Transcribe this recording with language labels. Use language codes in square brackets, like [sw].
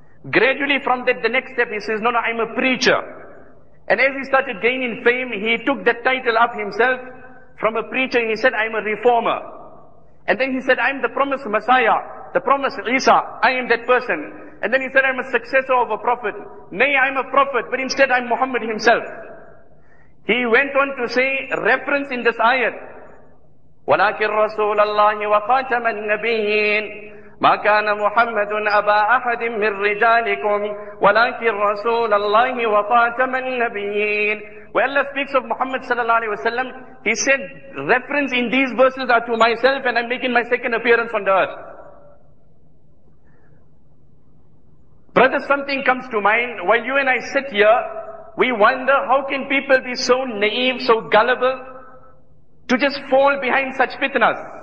[en] Gradually from that, the next step, he says, no, I'm a preacher. And as he started gaining fame, he took that title up himself from a preacher, and he said, I'm a reformer. And then he said, I'm the promised Messiah, the promised Isa, I am that person. And then he said, I'm a successor of a prophet. Nay, I'm a prophet, but instead I'm Muhammad himself. He went on to say, reference in this ayat, [ar] وَلَكِنْ رَسُولَ اللَّهِ وَخَاتَمَ النَّبِيِّينَ مَا كَانَ مُحَمَّدٌ أَبَا أَحَدٍ مِّن رِجَالِكُمْ وَلَكِنْ رَسُولَ اللَّهِ وَخَاتَمَ النَّبِيِّينَ. [en] Where Allah speaks of Muhammad sallallahu alayhi wa sallam, he said, reference in these verses are to myself and I'm making my second appearance on the earth. Brother, something comes to mind while you and I sit here. We wonder, how can people be so naive, so gullible, to just fall behind such fitnas?